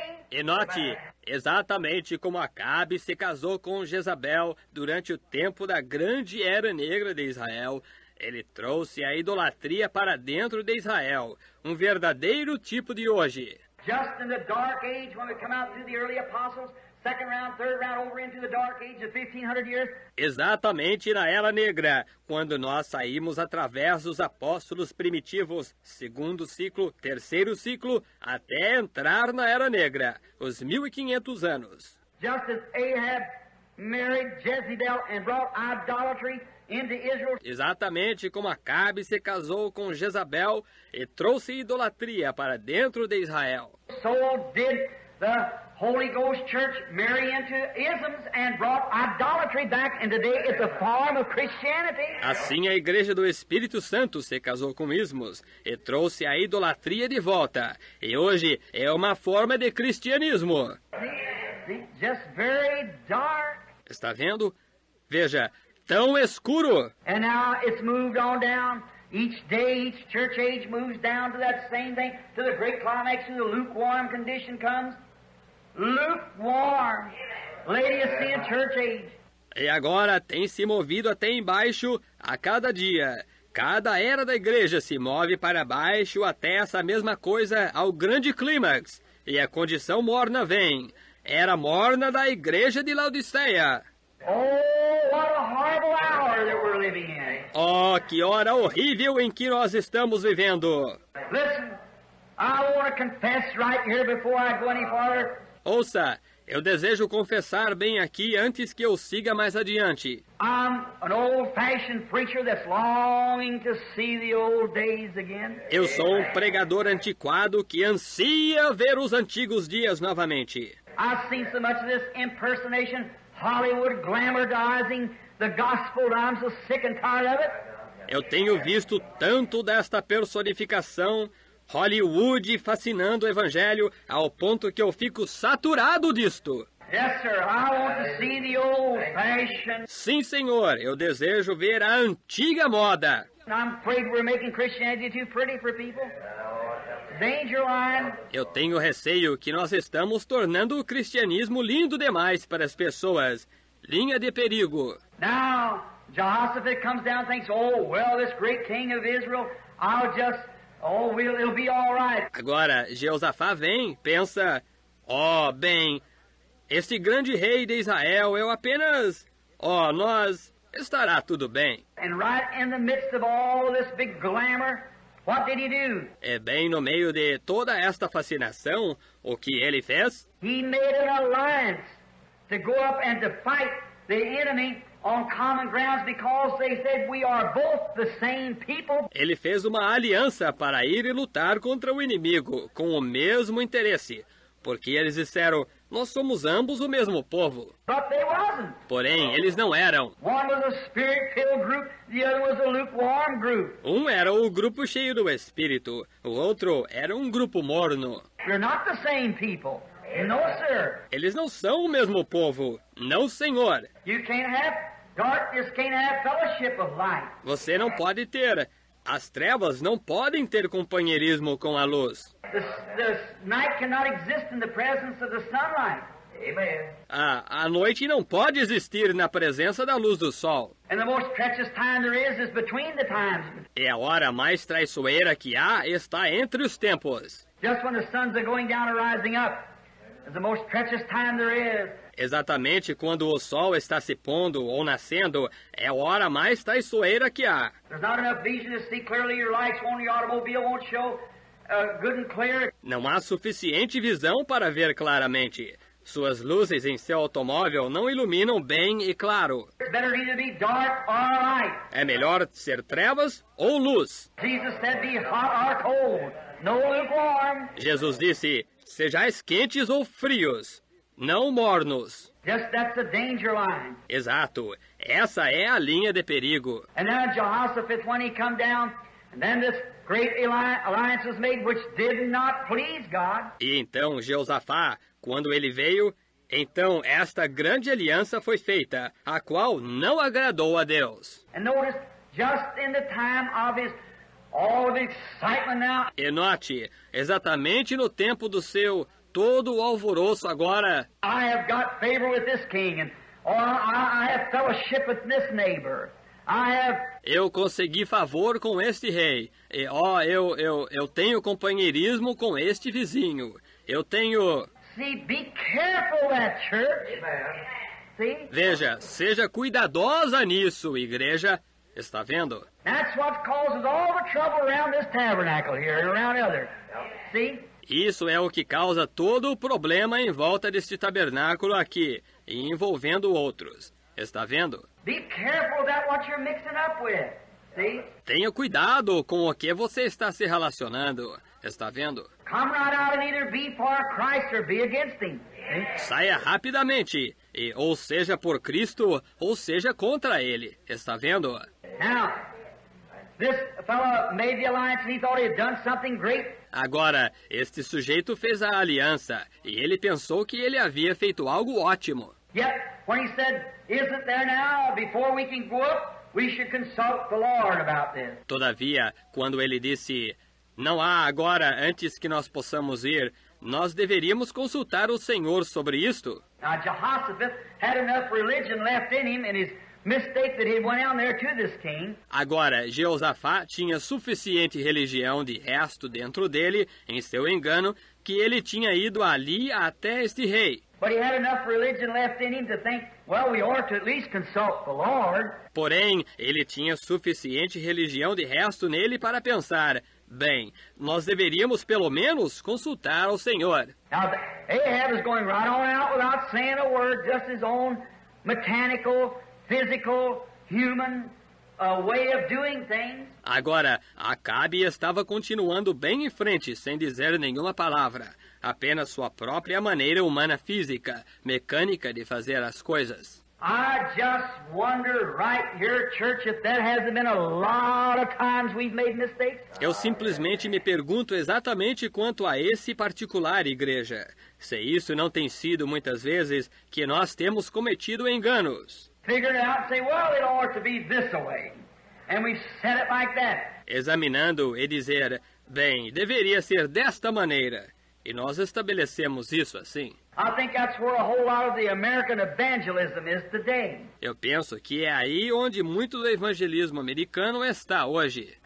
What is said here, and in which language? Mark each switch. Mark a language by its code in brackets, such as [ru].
[pt] e note, exatamente como Acabe se casou com Jezabel durante o tempo da grande era negra de Israel, ele trouxe a idolatria para dentro de Israel, um verdadeiro tipo de hoje. [en] Just in the dark age, when we come out through the early apostles, Second round, third round, over into the dark age of 1500 years. [pt] Exatamente na Era Negra, quando nós saímos através dos apóstolos primitivos, segundo ciclo, terceiro ciclo, até entrar na Era Negra, os 1500 anos. [en] Just as Ahab married Jezebel and brought idolatry into Israel. [pt] Exatamente como Acabe se casou com Jezabel e trouxe idolatria para dentro de Israel. [en] So did the Holy Ghost Church marry into isms and brought idolatry back, and today it's a form of Christianity. [pt] Assim a Igreja do Espírito Santo se casou com ismos e trouxe a idolatria de volta, e hoje é uma forma de cristianismo. [en] Just very dark. [pt] Está vendo? Veja, tão escuro. [en] And now it's moved on down. Each day, each church age moves down to that same thing, to the great climax, and the lukewarm condition comes. Lukewarm. Laodicean church age. [pt] E agora tem se movido até embaixo a cada dia. Cada era da igreja se move para baixo até essa mesma coisa, ao grande clímax. E a condição morna vem. Era morna da igreja de Laodiceia. [en] Oh, what a horrible hour that we're living in. [pt] Oh, que hora horrível em que nós estamos vivendo. [en] Listen, I want to confess right here before I go any farther. [pt] Ouça, eu desejo confessar bem aqui antes que eu siga mais adiante. [en] I'm an old-fashioned preacher that's longing to see the old days again. [pt] Eu sou um pregador antiquado que ansia ver os antigos dias novamente. [en] I've seen so much of this impersonation, Hollywood glamorizing the gospel, that I'm so sick and tired of it. [pt] Eu tenho visto tanto desta personificação, Hollywood fascinando o evangelho, ao ponto que eu fico saturado disto. [en] Yes, sir. I want to see the old fashion. [pt] Sim, senhor, eu desejo ver a antiga moda. [en] I'm afraid we're making Christianity too pretty for people. Danger line. [pt] Eu tenho receio que nós estamos tornando o cristianismo lindo demais para as pessoas. Linha de perigo. [en] Now, Jehoshaphat comes down and thinks, oh, well, this great king of Israel, I'll just, oh, we'll, it'll be all right. [pt] Agora, Jeosafá vem, pensa, oh, bem, este grande rei de Israel, eu apenas, oh, nós, estará tudo bem. [en] And right in the midst of all this big glamour, what did he do? [pt] É bem no meio de toda esta fascinação, o que ele fez? [en] He made an alliance to go up and to fight the enemy on common grounds, because they said we are both the same people. [pt] Ele fez uma aliança para ir e lutar contra o inimigo com o mesmo interesse, porque eles disseram, nós somos ambos o mesmo povo. [en] But they wasn't. [pt] Porém, eles não eram. [en] One was a spirit-filled group, the other was a lukewarm group. [pt] Um era o grupo cheio do Espírito, o outro era um grupo morno. [en] They're not the same people. No, sir. [pt] Eles não são o mesmo povo. Não, senhor. [en] You can't have darkness, can't have fellowship of light. [pt] Você não pode ter. As trevas não podem ter companheirismo com a luz. [en] The night cannot exist in the presence of the sunlight. Amen. [pt] A noite não pode existir na presença da luz do sol. [en] And the most treacherous time there is between the times. [pt] E a hora mais traiçoeira que há está entre os tempos. [en] Just when the suns are going down and rising up. The most precious time there is. [pt] Exatamente quando o sol está se pondo ou nascendo, é a hora mais traiçoeira que há. [en] There's not enough vision to see clearly, your lights on the automobile won't show good and clear. [pt] Não há suficiente visão para ver claramente. Suas luzes em seu automóvel não iluminam bem e claro. [en] It's better either be dark or light. [pt] É melhor ser trevas ou luz. [en] Jesus said be hot or cold. No lukewarm. [pt] Jesus disse, sejais quentes ou frios, não mornos. [en] Just that's the danger line. [pt] Exato. Essa é a linha de perigo. [en] And then Jehoshaphat, when he come down, and then this great alliance was made, which did not please God. [pt] E então Jeosafá, quando ele veio, então esta grande aliança foi feita, a qual não agradou a Deus. [en] And notice, just in the time of his all the excitement now. [pt] E note, exatamente no tempo do seu todo o alvoroço agora. [en] I have got favor with this king, and I have fellowship with this neighbor. I have. [pt] Eu consegui favor com este rei. E ó, eu tenho companheirismo com este vizinho. Eu tenho. C [en] see, be careful that church. Amen. See? [pt] Veja, seja cuidadosa nisso, igreja. Está vendo? [en] That's what causes all the trouble around this tabernacle here and around others. See? [pt] Isso é o que causa todo o problema em volta deste tabernáculo aqui, envolvendo outros. Está vendo? [en] Be careful about what you're mixing up with. See? [pt] Tenha cuidado com o que você está se relacionando. Está vendo? [en] Come right out and either be for Christ or be against him. [pt] Saia rapidamente, e ou seja por Cristo, ou seja contra ele. Está vendo? [en] Now, this fellow made the alliance and he thought he had done something great. [pt] Agora, este sujeito fez a aliança, e ele pensou que ele havia feito algo ótimo. [en] Yet, when he said, isn't there now, before we can go up, we should consult the Lord about this. [pt] Todavia, quando ele disse, não há agora, antes que nós possamos ir, nós deveríamos consultar o Senhor sobre isto. [en] Now, Jehoshaphat had enough religion left in him, and his mistake that he went down there to this king. [pt] Agora, Jeosafá tinha suficiente religião de resto dentro dele, em seu engano, que ele tinha ido ali até este rei. [en] But he had enough religion left in him to think, well, we ought to at least consult the Lord. [pt] Porém, ele tinha suficiente religião de resto nele para pensar, bem, nós deveríamos pelo menos consultar o Senhor. [en] Now, Ahab is going right on out without saying a word, just his own mechanical, physical, human way of doing things. [pt] Agora, Acabe estava continuando bem em frente, sem dizer nenhuma palavra. Apenas sua própria maneira humana física, mecânica de fazer as coisas. [en] I just wonder right here, church, if there hasn't been a lot of times we've made mistakes. [pt] Eu simplesmente me pergunto exatamente quanto a esse particular, igreja. Se isso não tem sido muitas vezes que nós temos cometido enganos. [en] Figure it out and say, well, it ought to be this way. And we set it like that. [pt] Examinando e dizer, bem, deveria ser desta maneira. E nós estabelecemos isso assim. [en] I think that's where a whole lot of the American evangelism is today. [pt] Eu penso que é aí onde muito do evangelismo americano está hoje.